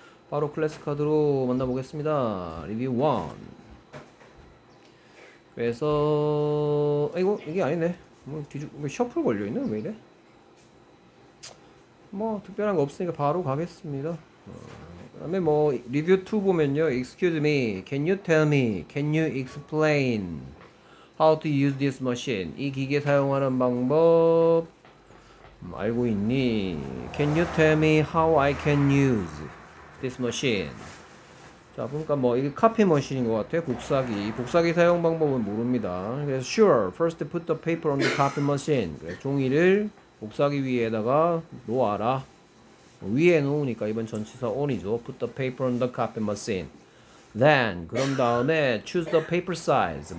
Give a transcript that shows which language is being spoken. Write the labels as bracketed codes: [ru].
[ko] 바로 클래스 카드로 만나보겠습니다. 리뷰 1. 그래서 이거 이게 아니네. 뭐 뒤집 셔플 걸려 있네. 왜 이래? 뭐 특별한 거 없으니까 바로 가겠습니다. 다음에 뭐 리뷰 2 보면요. [en] Excuse me, can you tell me, can you explain how to use this machine? [ko] 이 기계 사용하는 방법 알고 있니? [en] Can you tell me how I can use this machine? [ko] 자, 보니까 뭐 이게 카피 머신인 것 같아요. 복사기. 복사기 사용 방법은 모릅니다. 그래서 [en] sure, first put the paper on the copy machine. [ko] 그래서 종이를 복사기 위에다가 놓아라. 위에 놓으니까 이번 전치사 on이죠. [en] Put the paper on the copy machine. Then, [ko] 그런 다음에 [en] choose the paper size.